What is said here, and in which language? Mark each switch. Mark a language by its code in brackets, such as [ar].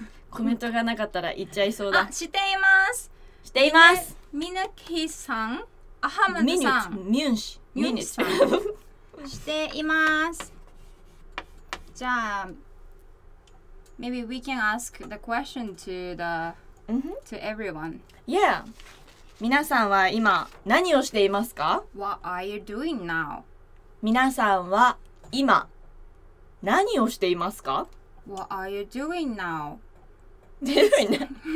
[ja] コメントがなかったら言っちゃいそうだ。あ、しています。しています。ミヌキさん、アハムズさん、ミュンシ、ミュンシさん、しています。 [en] じゃあ、maybe we can ask the question to the、 mm-hmm. to everyone. Yeah. [ja] 皆さんは今何をしていますか [en] ？What are you doing now? [ja] 皆さんは今何をしていますか？ [en] What are you doing now? Doing now?